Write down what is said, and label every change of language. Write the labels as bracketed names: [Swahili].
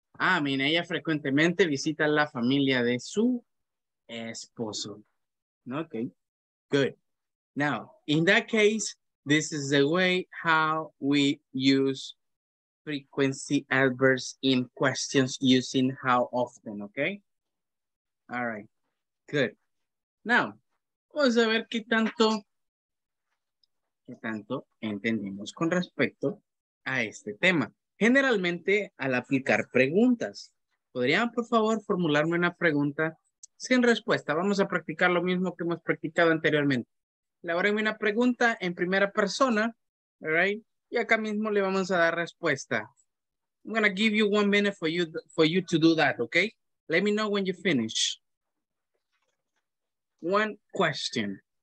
[English] Ah, I mean, [Spanish] ella frecuentemente visita la familia de su esposo. [English] Okay, good. Now, in that case, this is the way how we use frequency adverbs in questions using how often, okay? All right, good. [Spanish] Now, vamos a ver qué tanto entendimos con respecto a este tema. Generalmente, al aplicar preguntas, ¿podrían, por favor, formularme una pregunta sin respuesta? Vamos a practicar lo mismo que hemos practicado anteriormente. Elabórenme una pregunta en primera persona, right? Y acá mismo le vamos a dar respuesta. [English] I'm going to give you one minute for you to do that, okay? Let me know when you finish. One question.